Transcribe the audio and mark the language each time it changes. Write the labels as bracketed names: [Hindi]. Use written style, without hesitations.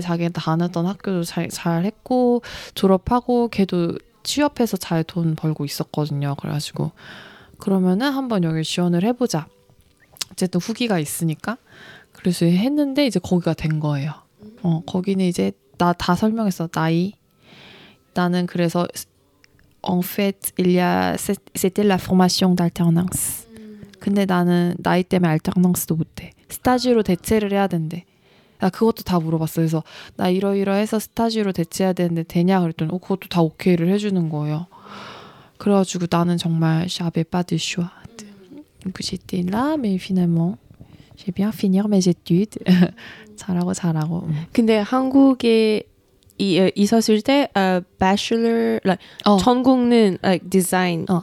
[Korean] 자기가 다녔던 학교도 잘 했고 졸업하고 걔도 취업해서 잘 돈 벌고 있었거든요. 그래가지고 그러면은 한번 여기 지원을 해보자. 어쨌든 후기가 있으니까. 그래서 했는데 이제 거기가 된 거예요. 거기는 이제 나 다 설명했어. 나이. 나는 그래서 [French] en fait il y a c'était la formation d'alternance. [Korean] 근데 나는 나이 때문에 알터넌스도 못해. 스타지로 대체를 해야 된대. 나 그것도 다 물어봤어. 그래서 나 이러이러해서 스타지로 대체해야 되는데 되냐 그랬더니 그것도 다 오케이를 해주는 거예요. 그래가지고 나는 정말 [French] j'avais pas de choix. Donc j'étais là mais finalement j'ai bien fini mes études. [Korean] 잘하고 잘하고. 근데 한국에 있었을 때 [English] bachelor like [Korean] 전공은 [English] like design